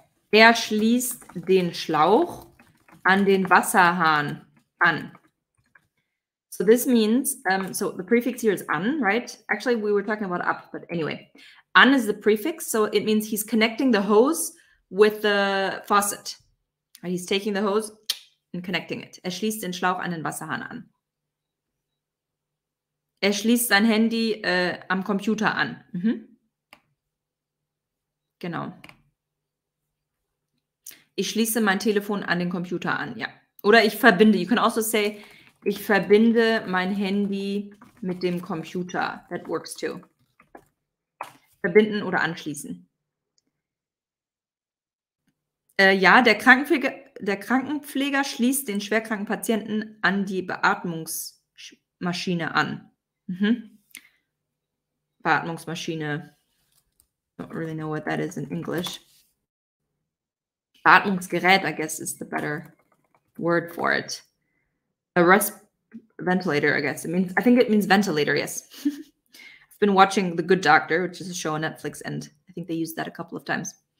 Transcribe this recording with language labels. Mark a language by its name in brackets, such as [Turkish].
[German] Er schließt den Schlauch an den Wasserhahn an. [English] So this means, so the prefix here is an, right? Actually, we were talking about ab, but anyway. An is the prefix, so it means he's connecting the hose with the faucet. He's taking the hose and connecting it. [German] Er schließt den Schlauch an den Wasserhahn an. Er schließt sein Handy am Computer an. Mhm. Genau. Ich schließe mein Telefon an den Computer an, ja. Oder ich verbinde, [English] you can also say, [German] ich verbinde mein Handy mit dem Computer. [English] That works too. [German] Verbinden oder anschließen. Ja, der Krankenpfleger schließt den schwerkranken Patienten an die Beatmungsmaschine an. Mhm. Beatmungsmaschine. [English] Don't really know what that is in English. Beatmungsgerät, I guess, is the better word for it. A ventilator, I guess. I think it means ventilator, yes. I've been watching The Good Doctor, which is a show on Netflix, and I think they used that a couple of times.